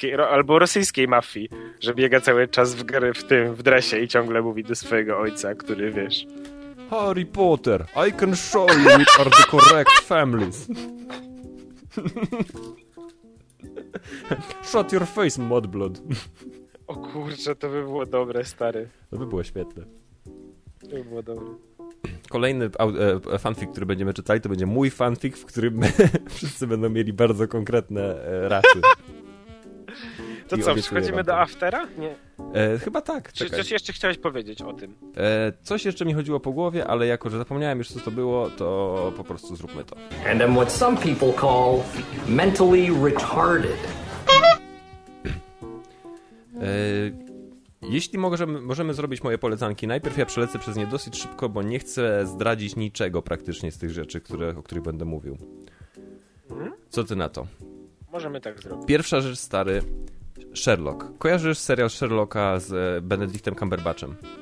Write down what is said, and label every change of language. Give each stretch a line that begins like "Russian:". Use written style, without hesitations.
Polish: Albo rosyjskiej mafii, że biega cały czas w dresie i ciągle mówi do swojego ojca, który wiesz...
English: Harry Potter, I can show you which are the correct families. Shut your face, mudblood.
Polish: O kurczę, to by było dobre, stary. To by było świetne. To by było dobre. Kolejny fanfic, który będziemy czytali, to będzie mój fanfic, w którym wszyscy będą mieli bardzo konkretne rasy. To co, przechodzimy do aftera? Nie. Chyba tak. Czy coś jeszcze chciałeś powiedzieć o tym? Coś jeszcze mi chodziło po głowie, ale jako że zapomniałem już, co to było, to po prostu zróbmy to.
English: And I'm what some people call mentally retarded.
Polish: Jeśli możemy zrobić moje polecanki, najpierw ja przelecę przez nie dosyć szybko, bo nie chcę zdradzić niczego praktycznie z tych rzeczy, o których będę mówił. Co ty na to? Możemy tak zrobić. Pierwsza rzecz, stary, Sherlock. Kojarzysz serial Sherlocka z Benedictem Cumberbatchem?